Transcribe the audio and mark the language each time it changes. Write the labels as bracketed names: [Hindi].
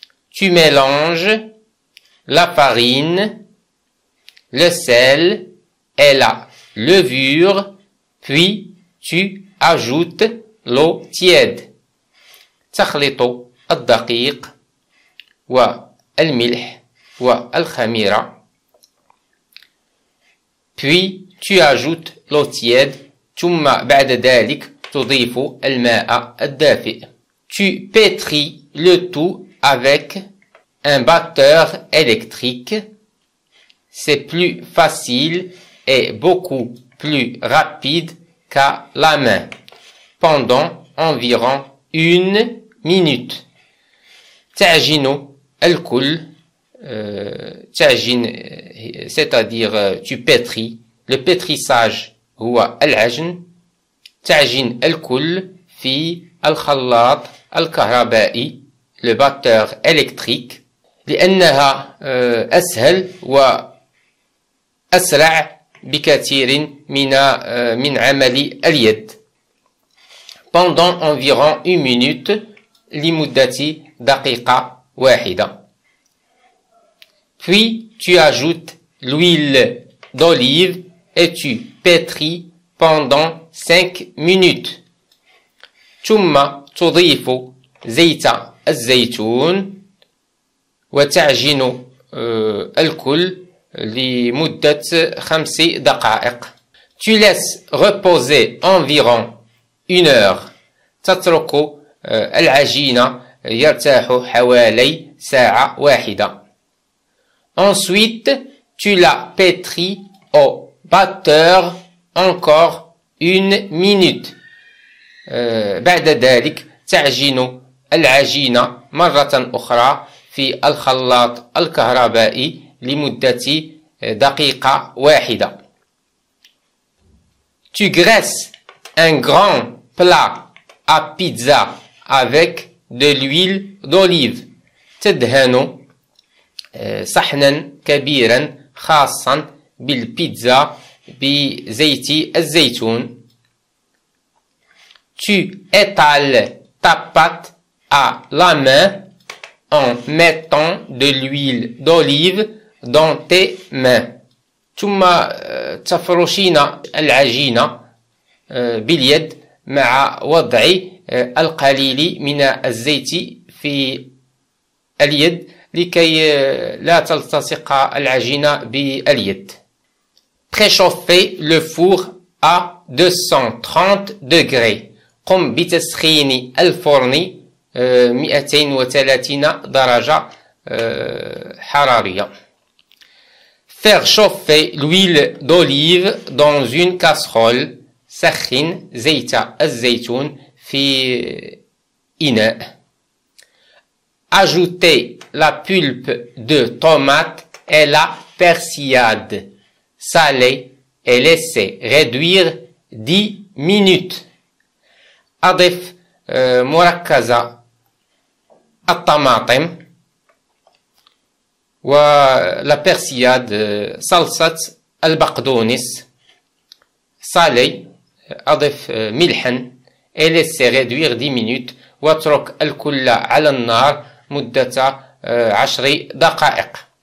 [French] Tu mélanges la farine, le sel et la levure, puis tu ajoutes l'eau tiède. [Arabic] تخلط الدقيق والملح والخميرة. [French] Puis tu ajoutes l'eau tiède. [Arabic] ثم بعد ذلك تضيف الماء الدافئ. [French] Tu pétris le tout avec un batteur électrique. C'est plus facile et beaucoup plus rapide qu'à la main. Pendant environ une minute. [Arabic] تعجينو الكل. [French] تعجين c'est-à-dire tu pétris. Le pétrissage [Arabic] هو العجن. تعجين الكل في الخلاط الكهربائي. [French] Le batteur électrique. [Arabic] لأنها أسهل وأسرع بكثير من عمل اليد. [French] Pendant environ une minute، [Arabic] لمدة دقيقة واحدة. [French] Puis tu ajoutes l'huile d'olive et tu pétris pendant 5 minutes. [Arabic] ثم تضيف زيت الزيتون وتعجن الكل لمدة 5 دقائق. [French] Tu laisses reposer environ une heure. [Arabic] تترك العجينة يرتاح حوالي ساعة واحدة. [French] Ensuite, tu la pétris au batteur encore une minute. [Arabic] بعد ذلك تعجن العجينة مرة أخرى في الخلاط الكهربائي لمدة دقيقة واحدة. [French] Tu graisses un grand plat à pizza avec de l'huile d'olive. [Arabic] تدهن صحنا كبيرا خاصا بالبيتزا بزيت الزيتون. [French] Tu étales ta pâte à la main en mettant de l'huile d'olive dans tes mains. [Arabic] ثم تفرشين العجينة باليد مع وضع القليل من الزيت في اليد لكي لا تلتصق العجينة باليد. [French] Préchauffez le four à 230 degrés. [Arabic] قم بتسخين الفرن 230 درجة حرارية. [French] Faire chauffer l'huile d'olive dans une casserole. [Arabic] سخن زيت الزيتون في إناء. [French] Ajouter la pulpe de tomate et la persillade. Saler et laisser réduire 10 minutes. [Arabic] أضف مركز الطماطم و لا بيرسياد صلصة البقدونس. [French] صالي [Arabic] أضف ملحا [French] إليسي غيدوير 10 مينوت [Arabic] واترك الكل على النار مدة 10 دقائق.